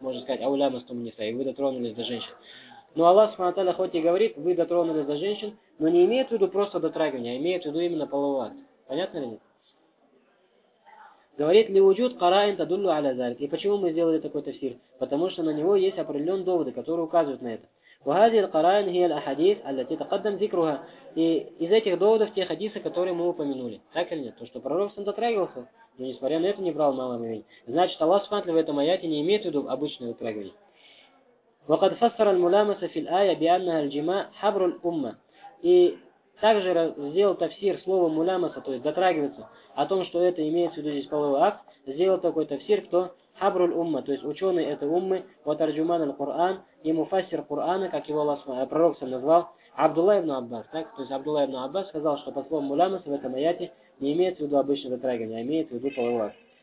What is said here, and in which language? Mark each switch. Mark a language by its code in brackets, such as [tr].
[ru] Можно сказать [ar] ауля мастум ниса, [ru] и вы дотронулись до женщин. Но Аллах субхана тааля хоть и говорит, вы дотронулись до женщин, но не имеет в виду просто дотрагивание, а имеет в виду именно половой акт. Понятно ли нет? Говорит ли [ar] вуджуд караин тадуллу аля зарик? [ru] И почему мы сделали такой тафсир? Потому что на него есть определенные доводы, которые указывают на это. [ar] وهذه القرائن هي الأحاديث التي تقدم ذكرها. [ru] И из этих доводов те хадисы, которые мы упомянули. Так или нет? То, что пророк сам дотрагивался, но несмотря на это не брал мало омовения. Значит, Аллах субхана в этом аяте не имеет в виду обычное дотрагивание. [ar] وقد فسر الملامسة في الآية بأنها الجماع حبر الأمة. [ru] И также сделал тафсир слово муламаса, то есть дотрагиваться, о том, что это имеется в виду здесь половой акт, сделал такой тафсир, кто хабруль умма, то есть ученый этой уммы, ва тарджуман аль-Куран, и муфассир Курана, как его Аллах пророк сам назвал, Абдулла ибн Аббас, так? То есть Абдулла ибн Аббас сказал, что по словам Улямаса в этом аяте не имеется в виду обычное затрагивание, а имеется в виду половой акт.